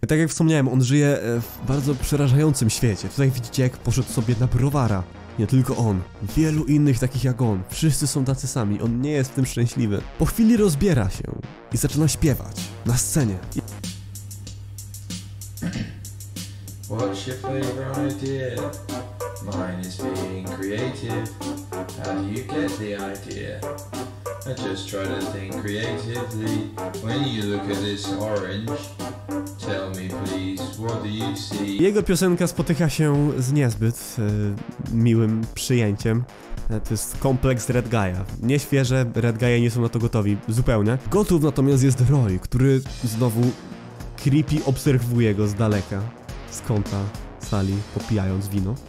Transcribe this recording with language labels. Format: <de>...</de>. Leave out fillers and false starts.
<pl>Tak jak wspomniałem, on żyje w bardzo przerażającym świecie. Tutaj widzicie, jak poszedł sobie na browara. Nie tylko on. Wielu innych takich jak on. Wszyscy są tacy sami. On nie jest w tym szczęśliwy. Po chwili rozbiera się i zaczyna śpiewać na scenie.</pl> <en>What's your favorite idea? Mine is being creative. How do you get the idea? I just try to think creatively. When you look at this orange, tell me please, what do you see?</en> <pl>Jego piosenka spotyka się z niezbyt miłym przyjęciem. To jest kompleks Red Guy'a. Nieświeże, Red Guy'e nie są na to gotowi, zupełnie. Gotów natomiast jest Roy, który znowu creepy obserwuje go z daleka, z kąta sali, popijając wino.</pl>